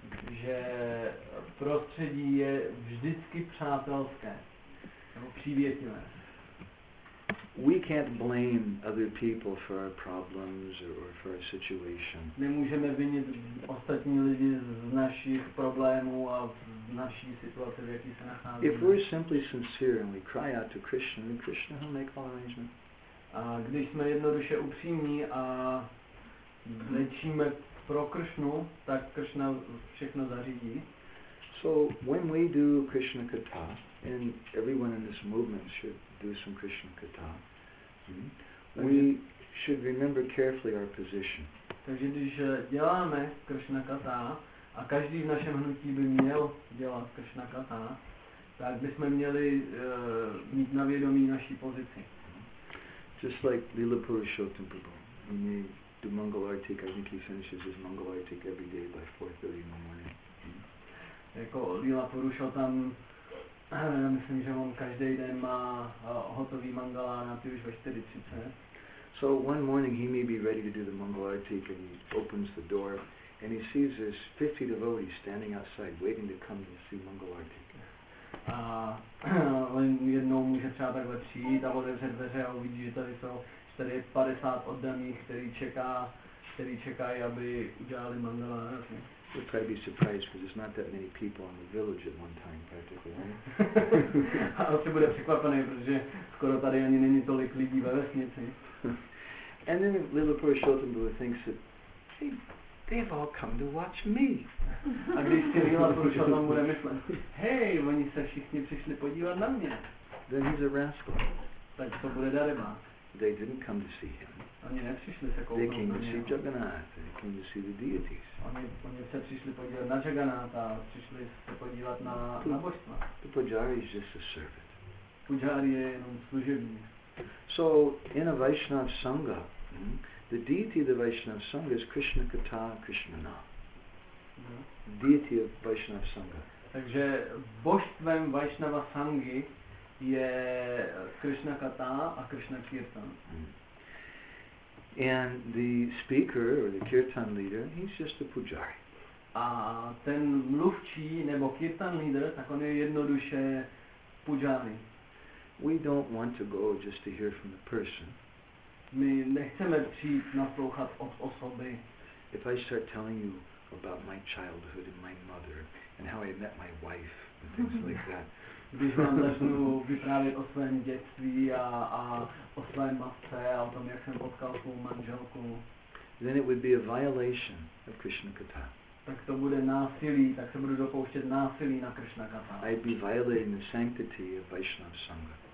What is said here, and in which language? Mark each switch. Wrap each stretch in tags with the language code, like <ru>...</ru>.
<cs>Že prostředí je vždycky přátelské. Nebo přívětivé.</cs> <en>We can't blame other people for our problems or for our situation.</en> <cs>Nemůžeme vinit ostatní lidi z našich problémů a z naší situace, v jaké se nacházíme.</cs> <en>If we're simply sincere and we cry out to Krishna, then Krishna will make all arrangements.</en> <cs>A když jsme jednoduše upřímní a lečíme pro Kršnu, tak Kršna všechno zařídí.</cs> <en>So when we do Krishna katha, and everyone in this movement should do some Krishna katha, we should remember carefully our position.</en> <cs>Takže když děláme Krishna katha, a každý v našem hnutí by měl dělat Krishna katha, tak bychom měli mít na vědomí naší pozici.</cs> <en>Just like Lila Purushottam Prabhu, he may do Mangal Artik, I think he finishes his Mangal Artik every day by 4:30 in the morning.</en> <cs>Jako Lila Purushottam, já myslím, že on každý den má hotový mangala na ty už ve 4:30.</cs> <en>So one morning he may be ready to do the Mangal Artik and he opens the door and he sees this 50 devotees standing outside waiting to come to see Mangal Artik.</en> <cs>A on jednou může třeba takhle přijít a otevře dveře a uvidí, že tady jsou 50 oddaných, který čekají, aby udělali mangala arati.</cs> <en>You'll try to be surprised because there's not that many people in the village at one time, practically.</en> <cs>A asi bude překvapený, protože skoro tady ani není tolik lidí ve vesnici.</cs> <en>And then Lila Purushottam Prabhu thinks that, hey, they've all come to watch me.</en> <cs>A když si Lila Purushottam bude myslet, hey, oni se všichni přišli podívat na mě.</cs> <en>Then he's a rascal.</en> <cs>Tak to bude darema.</cs> <en>They didn't come to see him.</en> <cs>Oni nepřišli se koukat.</cs> <en>They came to see Jagannath. They came to see the deities.</en> <cs>Oni se přišli podívat na Jagannatha a přišli se podívat na božstva.</cs> <en>The pujari is just a servant.</en> <cs>Pujari je jenom služebník.</cs> <en>So in a Vaishnav Sangha, the deity of the Vaishnav Sangha is Krishna Katha Krishna Na. Deity of Vaishnav Sangha.</en> <cs>Takže božstvem Vaishnava Sanghi je Krishna Katha a Krishna Kirtan.</cs> <en>And the speaker or the kirtan leader, he's just a pujari.</en> <cs>A ten mluvčí nebo kirtan leader, tak on je jednoduše pujari.</cs> <en>We don't want to go just to hear from the person.</en> <cs>My nechceme přijít naslouchat od osoby.</cs> <en>If I start telling you about my childhood and my mother and how I met my wife and things like that.</en> <cs>Když vám začnu vyprávět o svém dětství a o své matce a o tom, jak jsem potkal svou manželku.</cs> <en>Then it would be a violation of Krishna Katha.</en> <cs>Tak to bude násilí, tak se budu dopouštět násilí na Krishna Katha.</cs> <en>I'd be violating the sanctity of Vaishnava Sangha.</en>